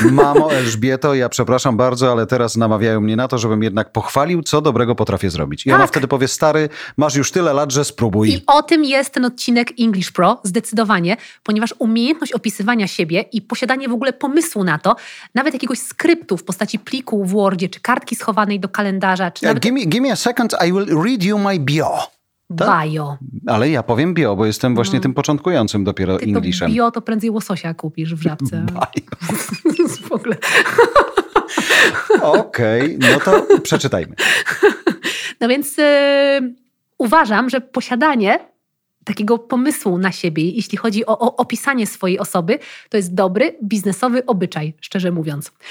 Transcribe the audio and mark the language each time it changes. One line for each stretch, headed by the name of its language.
Polish: Mamo Elżbieto, ja przepraszam bardzo, ale teraz namawiają mnie na to, żebym jednak pochwalił, co dobrego potrafię zrobić. I tak. Ona wtedy powie: stary, masz już tyle lat, że spróbuj. I o tym jest ten odcinek English Pro, zdecydowanie, ponieważ umiejętność opisywania siebie i posiadanie w ogóle pomysłu na to, nawet jakiegoś skryptu w postaci pliku w Wordzie, czy kartki schowanej do kalendarza, czy nawet...
English: Give me a second, I will read you my bio.
Polish: Tak? Bio. Ale ja powiem bio, bo jestem właśnie tym początkującym dopiero ty Englishem. To bio to prędzej łososia kupisz w Żabce. Bio. W ogóle. Okej, okay, no to przeczytajmy. No więc uważam, że posiadanie takiego pomysłu na siebie, jeśli chodzi o opisanie swojej osoby, to jest dobry biznesowy obyczaj, szczerze mówiąc.